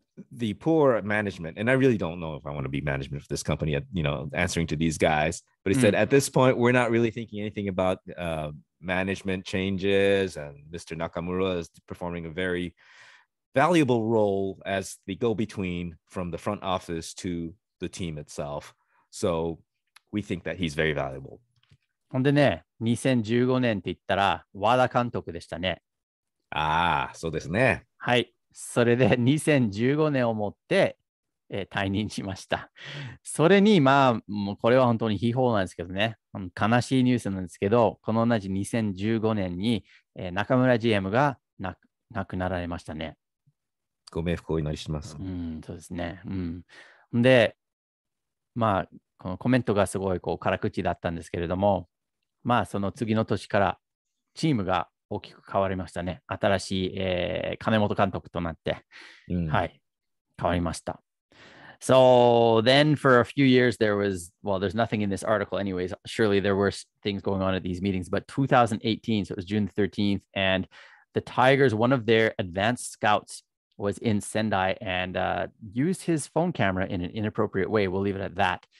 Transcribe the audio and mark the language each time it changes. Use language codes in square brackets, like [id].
[en] The poor management, and I really don't know if I want to be management of this company, you know, answering to these guys. But he said, at this point, we're not really thinking anything about... management changes, and Mr. Nakamura is performing a very valuable role as the go-between from the front office to the team itself. So we think that he's very valuable. [ja] ほんでね、2015年って言ったら和田監督でしたね。ああ、そうですね。はい、それで2015年をもって、退任しました。それに、まあ、もうこれは本当に悲報なんですけどね。悲しいニュースなんですけど、この同じ2015年に、中村 GM が亡くなられましたね。ご冥福をお祈りします。うん、そうですね。うん。で、まあ、このコメントがすごいこう辛口だったんですけれども、まあ、その次の年からチームが大きく変わりましたね。新しい、金本監督となって。うん、はい。変わりました。 [en] So then for a few years, there was, well, there's nothing in this article anyways. Surely there were things going on at these meetings, but 2018, so it was June 13th, and the Tigers, one of their advanced scouts was in Sendai and used his phone camera in an inappropriate way. We'll leave it at that.